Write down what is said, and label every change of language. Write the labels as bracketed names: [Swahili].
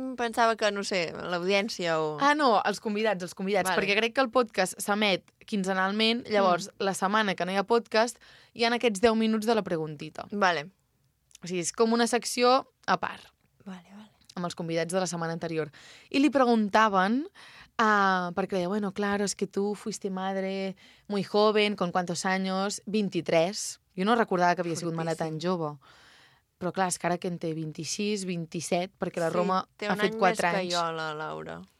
[Catalan] Pensava que, no sé, l'audiència o... Ah, no, els convidats. Vale. Perquè crec que el podcast s'emet quinzenalment, llavors, la setmana que no hi ha podcast, hi ha aquests 10 minuts de la Preguntita. Vale. O sigui, és com una secció a part. Vale, vale. Amb els convidats de la setmana anterior. I li preguntaven... perquè deia, [Spanish] bueno, claro, es que tú fuiste madre muy joven, ¿con cuántos años? [Catalan] 23. Jo no recordava que havia sigut mare tan jove. Però, clar, és que ara que en té 26, 27, perquè la Roma ha fet 4 anys. Té un any més que jo, la Laura.